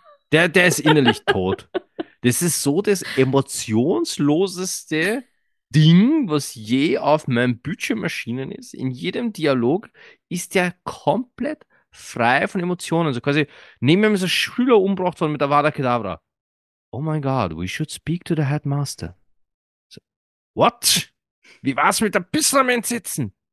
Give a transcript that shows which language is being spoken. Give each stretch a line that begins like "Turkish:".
German: Der ist innerlich tot. Das ist so das emotionsloseste Ding, was je auf meinen Bildschirmmaschinen ist. In jedem Dialog ist der komplett frei von Emotionen. So quasi, neben mir ist ein Schüler umgebracht worden mit Avada Kedavra.
English: Oh my God, we should speak to the headmaster. So, what?
German: Wie war's mit der Pissermann sitzen?